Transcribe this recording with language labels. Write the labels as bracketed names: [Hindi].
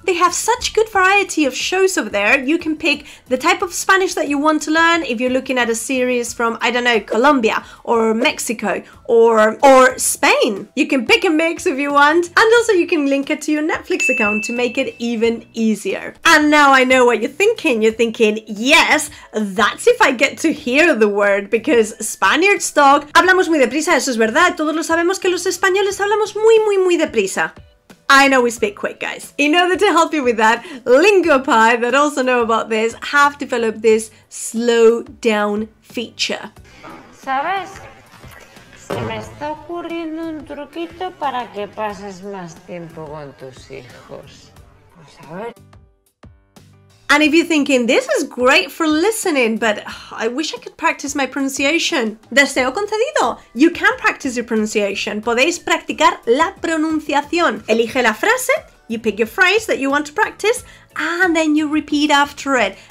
[English] They have such good variety of shows over there. You can pick the type of Spanish that you want to learn if you're looking at a series from, I don't know, Colombia or Mexico or Spain. You can pick a mix if you want. And also you can link it to your Netflix account to make it even easier. And now I know what you're thinking. You're thinking, yes, that's if I get to hear the word, because Spaniards talk. [Spanish] Hablamos muy deprisa, eso es verdad. Todos lo sabemos que los españoles hablamos muy, muy, muy deprisa. [English] I know we speak quick, guys. In order to help you with that, LingoPie, that also know about this, have developed this slow down feature. [Spanish] ¿Sabes? Se me está ocurriendo un truquito para que pases más tiempo con tus hijos. Vamos a ver. [English] And if you're thinking, this is great for listening, but I wish I could practice my pronunciation. [Spanish] Deseo concedido. [English] You can practice your pronunciation. [Spanish] Podéis practicar la pronunciación. Elige la frase, [English] you pick your phrase that you want to practice, and then you repeat after it.